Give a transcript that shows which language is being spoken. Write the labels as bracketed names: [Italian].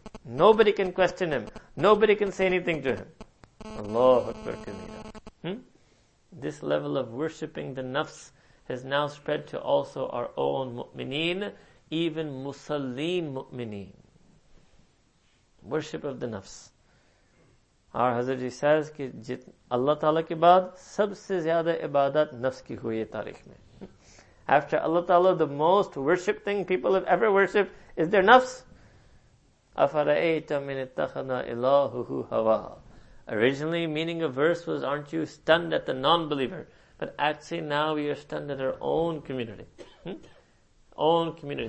[English] Nobody can question him. Nobody can say anything to him. Allahu Akbar Kabira. This level of worshipping the nafs has now spread to also our own mu'mineen, even musallim mu'mineen. Worship of the nafs. Our Hazrat Ji says, [Urdu] اللہ تعالیٰ کے بعد، سب سے زیادہ عبادت نفس کی ہوئی ہے تاریخ میں۔ [English] After Allah Ta'ala, the most worshipped thing people have ever worshipped is their nafs. [Arabic] Afara'ayta min ittakhadha ilahuhu hawa. [English] Originally, meaning of verse was, aren't you stunned at the non-believer? But actually now we are stunned at our own community. Own community.